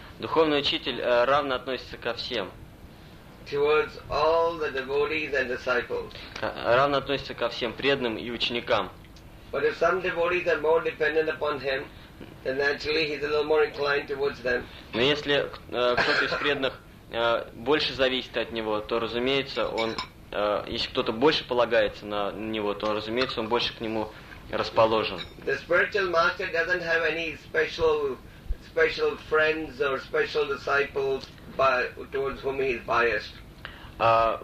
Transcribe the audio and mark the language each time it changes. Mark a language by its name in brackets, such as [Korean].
[Russian] Духовный учитель равно относится ко всем. [English] Towards all the devotees and disciples. [Russian] Равно относится ко всем преданным и ученикам. [English] But if some devotees are more dependent upon him, then naturally he's a little more inclined towards them. [Russian] Но если кто-то из преданных больше зависит от него, то разумеется, он если кто-то больше полагается на него, то разумеется, он больше к нему расположен. [English] The spiritual master doesn't have any special friends or special disciples towards whom he is biased.